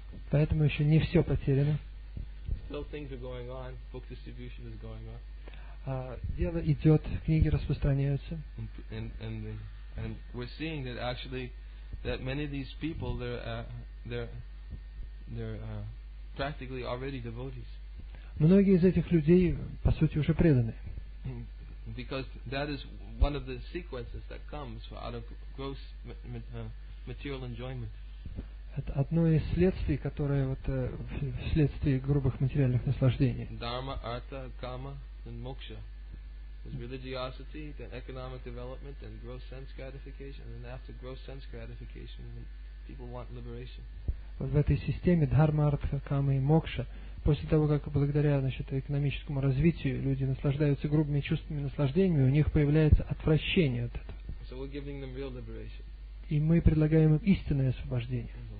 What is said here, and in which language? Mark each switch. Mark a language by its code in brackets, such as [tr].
[ru] Поэтому еще не все потеряно. [en] Still things are going on. Book distribution is going on. [ru] Дело идет, книги распространяются. [en] And we're seeing that actually that many of these people they're practically already devotees. [ru] Многие из этих людей, по сути, уже преданы. [en] Because that is one of the sequences that comes out of gross material enjoyment. [ru] Это одно из следствий, которое вот вследствие грубых материальных наслаждений. [en] Dharma, artha, kama, and moksha. There's religiosity, then economic development, then gross sense gratification, and then after gross sense gratification, people want liberation. [ru] Вот в этой системе дхарма, артха, кама и мокша. После того, как благодаря, значит, экономическому развитию люди наслаждаются грубыми чувствами, наслаждениями, у них появляется отвращение от этого. [en] So we're giving them real liberation. [ru] И мы предлагаем им истинное освобождение.